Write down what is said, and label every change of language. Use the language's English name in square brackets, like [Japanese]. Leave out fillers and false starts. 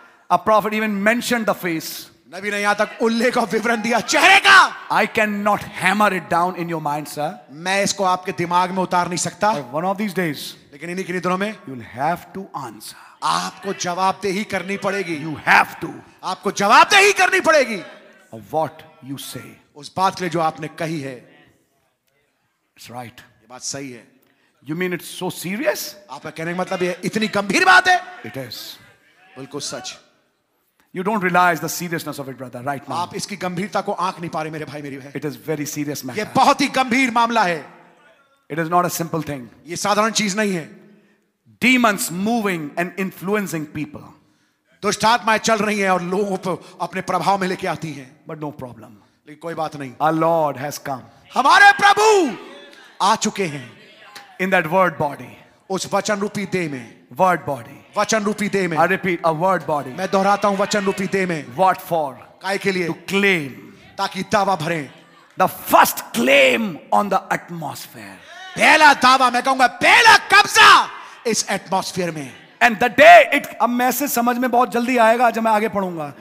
[English] A prophet even mentioned the face. [Hindi] नबी ने यहां तक उल्लेख और विवरण दिया चेहरे का। [English] I cannot hammer it down in your mind, sir. [Hindi] मैं इसको आपके दिमाग में उतार नहीं सकता। [English] One of these days. [Hindi] लेकिन इन्हीं के दिनों में। [English] You will have to answer. [Hindi] आपको जवाबदेही करनी पड़ेगी। [English] You have to. [Hindi] आपको जवाबदेही करनी पड़ेगी। [English] Of what you say. [Hindi] उस बात के लिए जो आपने कही है। [English] It's right. [Hindi] ये बात सही है। [English] You mean it's so serious? [Hindi] आपका कहने का मतलब ये इतनी गंभीर बात है? [English] It is. [Hindi] बिल्कुल सच। [English] You don't realize the seriousness of it, brother. Right now. [Hindi] आप इसकी गंभीरता को आंख नहीं पा रहे मेरे भाई मेरी बहन। [English] It is very serious matter. [Hindi] ये बहुत ही गंभीर मामला है। [English] It is not a simple thing. [Hindi] ये साधारण चीज नहीं है। [English] Demons moving and influencing people. [Hindi] दुष्टात्माएं चल रही हैं और लोगों को अपने प्रभाव में लेके आती हैं। [English] But no problem. [Hindi] लेकिन कोई बात नहीं। [English] Our Lord has come. [Hindi] हमारे प्रभु आ चुके हैं। [English] In that word body, [Hindi] उस वचन रूपी दे में, [English] word body, [Hindi] वचन रूपी दे में, [English] I repeat, a word body, [Hindi] मैं दोहराता हूँ वचन रूपी दे में, [English] what for, [Hindi] काय के लिए, [English] to claim, [Hindi] ताकि दावा भरे, [English] the first claim on the atmosphere, [Hindi] पहला दावा, मैं कहूँगा पहला कब्जा इस atmosphere में, [English] and the day it, [Hindi] अब मैसेज समझ में बहुत जल्दी आएगा जब मैं आगे पढ़ूंगा,